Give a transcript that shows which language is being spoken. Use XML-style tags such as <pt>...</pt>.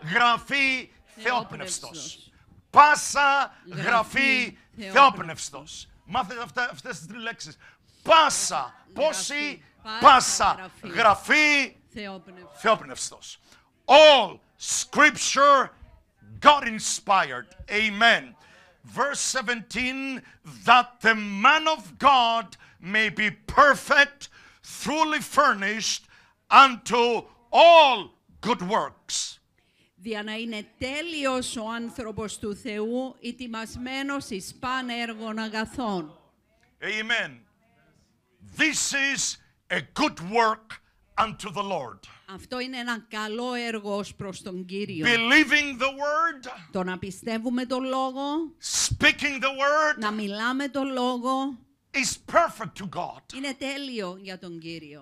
<el>γραφή θεόπνευστος. Πάσα γραφή θεόπνευστος. Μάθετε αυτές τις τρεις λέξεις. Πάσα, πόση. Πάσα γραφή θεόπνευστος.</el> <en>All scripture God inspired. Amen. Verse 17, that the man of God may be perfect, fully furnished unto all good works.</en> <el>Δια να είναι τέλειος ο άνθρωπος του Θεού, ετοιμασμένος εις πάν έργων αγαθών.</el> <en>Amen. This is a good work unto the Lord.</en> <el>Αυτό είναι ένα καλό έργο προς τον Κύριο.</el> <en>Believing the word.</en> <el>Το να πιστεύουμε το λόγο.</el> <en>Speaking the word.</en> <el>Να μιλάμε το λόγο.</el> <en>Is perfect to God.</en> <el>Είναι τέλειο για τον Κύριο.</el>